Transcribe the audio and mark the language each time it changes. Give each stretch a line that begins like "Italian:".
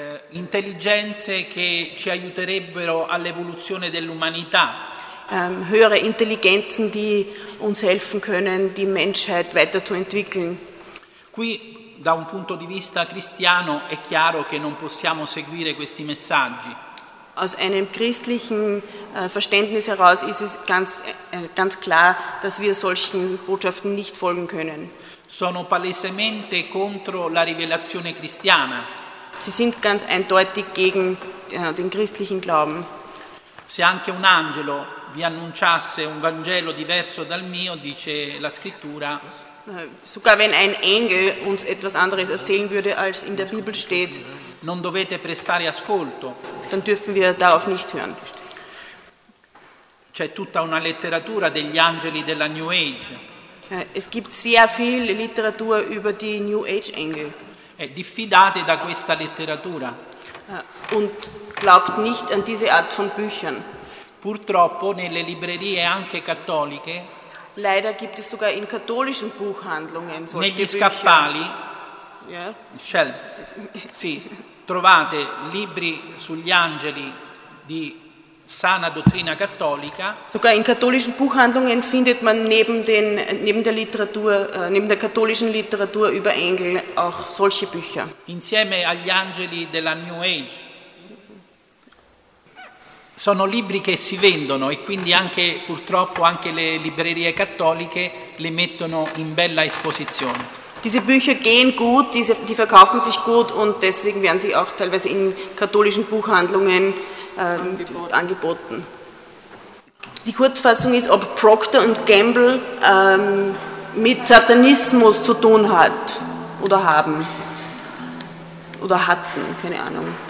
Italian: Intelligenze che ci aiuterebbero all'evoluzione dell'umanità.
German: Höhere Intelligenzen, die uns helfen können, die Menschheit weiterzuentwickeln.
Italian: Qui, da un punto di vista cristiano, è chiaro che non possiamo seguire questi messaggi.
German: Aus einem christlichen Verständnis heraus ist es ganz, ganz klar, dass wir solchen Botschaften nicht folgen können.
Italian: Sono palesemente contro la rivelazione cristiana.
German: Sie sind ganz eindeutig gegen den christlichen Glauben.
Italian: Se anche un angelo vi annunciasse un Vangelo diverso dal mio, dice la Scrittura.
German: Sogar wenn ein Engel uns etwas anderes erzählen würde, als in der Bibel steht.
Italian: Non dovete prestare ascolto.
German: Dann dürfen wir darauf nicht hören.
Italian: C'è tutta una letteratura degli angeli della New Age.
German: Es gibt sehr viel Literatur über die New Age Engel.
Italian: Diffidate da questa letteratura.
German: Und glaubt nicht an diese Art von Büchern.
Italian: Purtroppo nelle librerie anche cattoliche.
German: Leider gibt es sogar in katholischen Buchhandlungen solche
Italian: negli
German: Bücher.
Italian: Scaffali.
English: Yeah. Shelves. Sì.
Italian: Trovate libri sugli angeli di sana dottrina cattolica.
German: Sogar in katholischen Buchhandlungen findet man neben der katholischen Literatur über Engel auch solche Bücher.
Italian: Insieme agli angeli della New Age. Sono libri che si vendono e quindi anche purtroppo anche le librerie cattoliche le mettono in bella esposizione.
German: Diese Bücher gehen gut, die verkaufen sich gut und deswegen werden sie auch teilweise in katholischen Buchhandlungen angeboten. Die Kurzfassung ist, ob Procter & Gamble mit Satanismus zu tun hat oder haben oder hatten, keine Ahnung.